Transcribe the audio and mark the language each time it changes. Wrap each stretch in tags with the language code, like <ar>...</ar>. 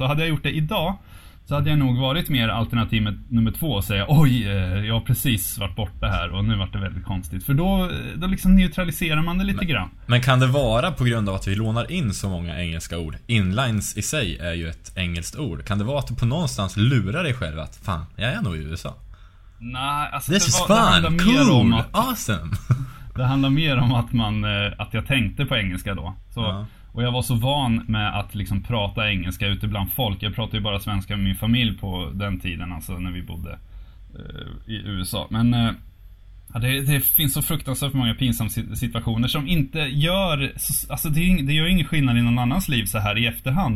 <sv>Och hade jag gjort det idag så hade jag nog varit mer alternativ med nummer 2 och säga, oj, jag har precis varit borta här och nu var det väldigt konstigt. För då liksom neutraliserar man det lite grann. Men kan det vara på grund av att vi lånar in så många engelska ord? Inlines i sig är ju ett engelskt ord. Kan det vara att du på någonstans lurar dig själv att fan, jag är nog i USA? Nej, alltså</sv> <en>this is fun, cool, awesome.</en> <sv>Det handlar mer om att att jag tänkte på engelska då. Så, och jag var så van med att liksom prata engelska ute bland folk. Jag pratade ju bara svenska med min familj på den tiden, alltså när vi bodde i USA. Men det finns så fruktansvärt många pinsamma situationer som inte gör, alltså det gör ingen skillnad i någon annans liv så här i efterhand.</sv>